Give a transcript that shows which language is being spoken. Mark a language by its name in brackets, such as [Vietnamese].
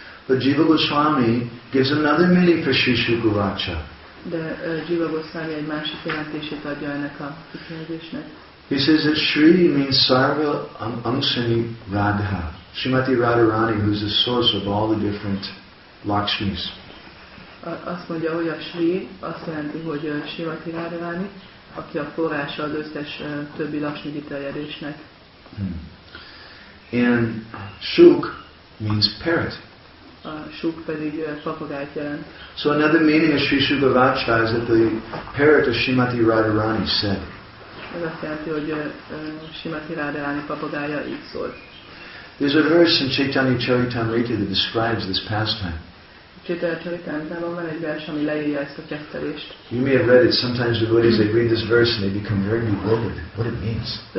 [English] But Jiva Goswami gives another meaning for Sri Shuka Uvacha. [Hungarian] De Jiva Goswami egy másik jelentését adja ennek a kifejezésnek. [English] He says that Sri means Sarva Amsani Radha. Srimati Radharani, who is the source of all the different Lakshmis. [Hungarian] Azt mondja, hogy a Sri, azt jelenti, hogy Srimati Radharani, aki a forrása az összes többi Lakshmi kiterjedésnek. [English] And Shuk means parrot. [Hungarian] A Shuk pedig papagájt jelent. [English] So another meaning of Sri Shuka Vacha is that the parrot of Srimati Radharani said. [Hungarian] Ez azt jelenti, hogy Srimati Radharani papagája így szólt. [English] There's a verse in Chaitanya Charitamrita that describes this pastime. You may have read it. Sometimes devotees, they read this verse and they become very bewildered what it means.